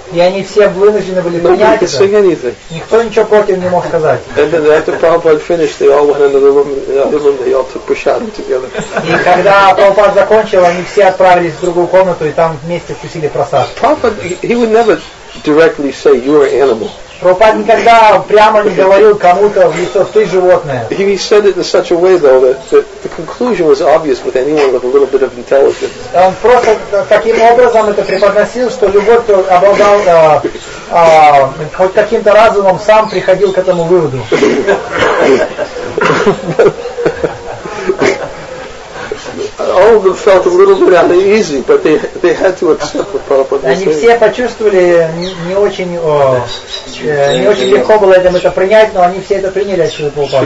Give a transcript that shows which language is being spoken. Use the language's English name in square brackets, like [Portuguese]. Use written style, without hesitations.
[English] And then after Prabhupada finished, they all went into the room, they all took prasadam together. Prabhupada, he would never directly say, you're an animal. [Russian] Прабхупада никогда прямо не говорил кому-то в лицо, ты животное. [English] He said it in such a way, though, that the conclusion was obvious with anyone with a little bit of intelligence. [Russian] Он просто таким образом это преподносил, что любой, кто обладал хоть каким-то разумом, сам приходил к этому выводу. [English] All of them felt a little bit uneasy, but they had to accept the Prabhupada. [Russian] Они все почувствовали не очень не очень легко было этим это принять, но они все это приняли от Шрилы Прабхупады.